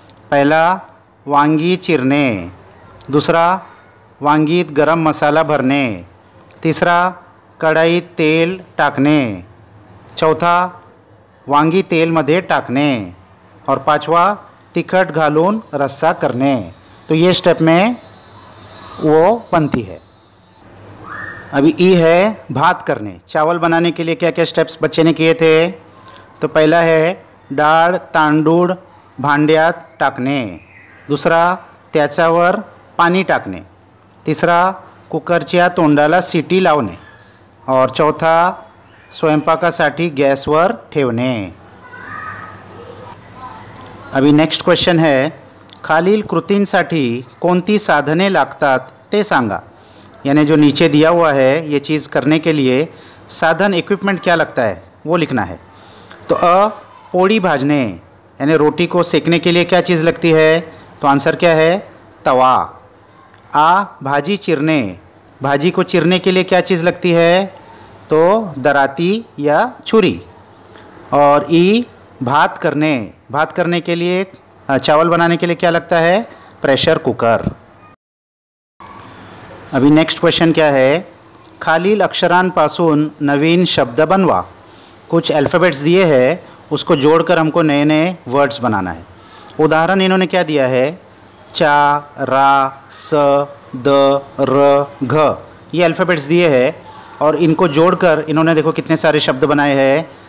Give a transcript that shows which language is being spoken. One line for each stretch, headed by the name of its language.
Hindi: पहला वांगी चीरने, दूसरा
Marathi: वांगीत गरम मसाला भरने,
Hindi: तीसरा कढ़ाई तेल टाकने, चौथा वांगी तेल मध्ये टाकने और पांचवा
Marathi: तिखट घालून रस्सा करने।
Hindi: तो ये स्टेप में वो बनती है। अभी ई है भात करने, चावल बनाने के लिए क्या क्या स्टेप्स बच्चे ने किए थे? तो पहला है
Marathi: डाळ तांदूळ भांड्यात टाकने,
Hindi: दूसरा
Marathi: त्याच्यावर पाणी टाकने,
Hindi: तीसरा
Marathi: कुकरच्या तोंडाला सिटी लावणे
Hindi: और चौथा
Marathi: स्वयंपाकासाठी गॅसवर ठेवणे।
Hindi: अभी नेक्स्ट क्वेश्चन है,
Marathi: खालील कृतींसाठी कोणती साधने लागतात ते सांगा।
Hindi: यानी जो नीचे दिया हुआ है ये चीज़ करने के लिए साधन इक्विपमेंट क्या लगता है वो लिखना है। तो अ पोड़ी भाजने, यानी रोटी को सेकने के लिए क्या चीज़ लगती है, तो आंसर क्या है? तवा। आ भाजी चीरने, भाजी को चीरने के लिए क्या चीज़ लगती है, तो दराती या छुरी। और ई भात करने, भात करने के लिए चावल बनाने के लिए क्या लगता है? Pressure cooker. अभी नेक्स्ट क्वेश्चन क्या है?
Marathi: खालील अक्षरांपासून नवीन शब्द बनवा।
Hindi: कुछ अल्फाबेट्स दिए हैं, उसको जोड़कर हमको नए नए वर्ड्स बनाना है। उदाहरण इन्होंने क्या दिया है? चा रा स द र घ, ये अल्फाबेट्स दिए हैं और इनको जोड़कर इन्होंने देखो कितने सारे शब्द बनाए हैं।